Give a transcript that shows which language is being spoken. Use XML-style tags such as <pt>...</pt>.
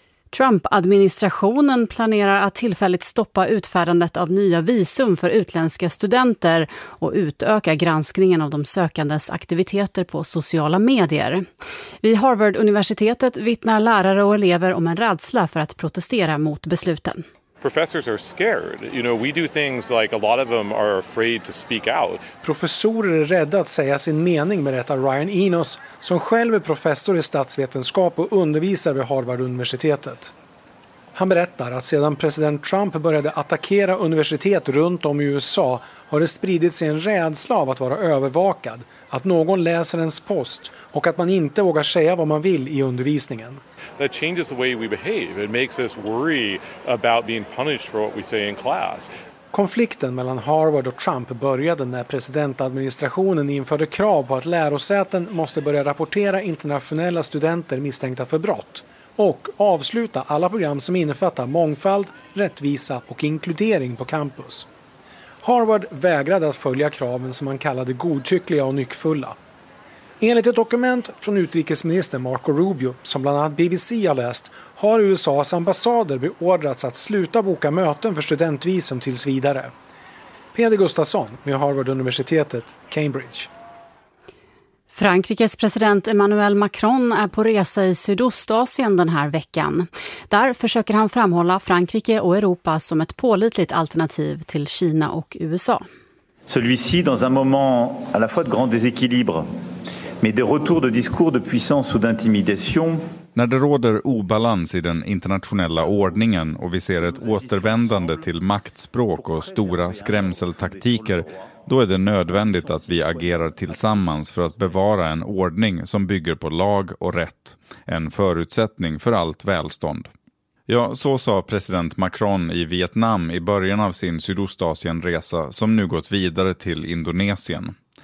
<sv>Trump-administrationen planerar att tillfälligt stoppa utfärdandet av nya visum för utländska studenter och utöka granskningen av de sökandes aktiviteter på sociala medier. Vid Harvard-universitetet vittnar lärare och elever om en rädsla för att protestera mot besluten.</sv> <en>Professors are scared. You know, we do things like a lot of them are afraid to speak out.</en> <sv>Professorer är rädda att säga sin mening, berättar Ryan Enos, som själv är professor i statsvetenskap och undervisar vid Harvard-universitetet. Han berättar att sedan president Trump började attackera universitet runt om i USA har det spridit sig en rädsla av att vara övervakad, att någon läser ens post och att man inte vågar säga vad man vill i undervisningen.</sv> <en>That changes the way we behave. It makes us worry about being punished for what we say in class.</en> <sv>Konflikten mellan Harvard och Trump började när presidentadministrationen införde krav på att lärosäten måste börja rapportera internationella studenter misstänkta för brott och avsluta alla program som innefattar mångfald, rättvisa och inkludering på campus. Harvard vägrade att följa kraven som man kallade godtyckliga och nyckfulla. Enligt ett dokument från utrikesminister Marco Rubio, som bland annat BBC har läst, har USAs ambassader beordrats att sluta boka möten för studentvisum tills vidare. Peder Gustafsson med Harvard-universitetet, Cambridge. Frankrikes president Emmanuel Macron är på resa i Sydostasien den här veckan. Där försöker han framhålla Frankrike och Europa som ett pålitligt alternativ till Kina och USA.</sv> <fr>Celui-ci dans un moment à la fois de grand déséquilibre, mais de retour de discours de puissance ou d'intimidation.</fr> <sv>När det råder obalans i den internationella ordningen och vi ser ett återvändande till maktspråk och stora skrämseltaktiker, då är det nödvändigt att vi agerar tillsammans för att bevara en ordning som bygger på lag och rätt. En förutsättning för allt välstånd. Ja, så sa president Macron i Vietnam i början av sin Sydostasienresa som nu gått vidare till Indonesien.</sv>